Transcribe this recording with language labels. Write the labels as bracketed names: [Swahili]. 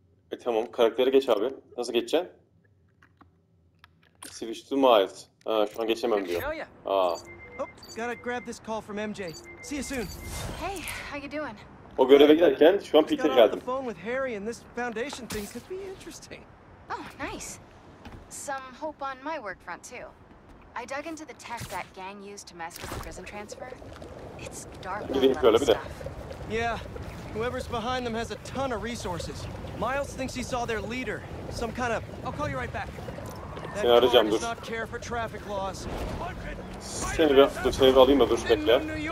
[Turkish] E tamam, karaktere geç abi. Nasıl geçeceksin? [English] Switch to Miles. [Turkish] Ha, şu an geçemem diyor. Aa. [English] Gotta grab this call from MJ. See you soon. Hey, how you doing? [Turkish] O göreve giderken şu an Peter geldi. [English] The phone with Harry and this foundation thing could be interesting. Oh, nice. Some hope on my work front too. I dug into the tech that gang used to mess with the prison transfer. It's dark. Yeah. Whoever's behind them has a ton of resources. Miles thinks he saw their leader, some kind of I'll call you right back. [Turkish] Seni arayacağım, dur. Seni bir, dur, seni bir alayım da dur, bekle.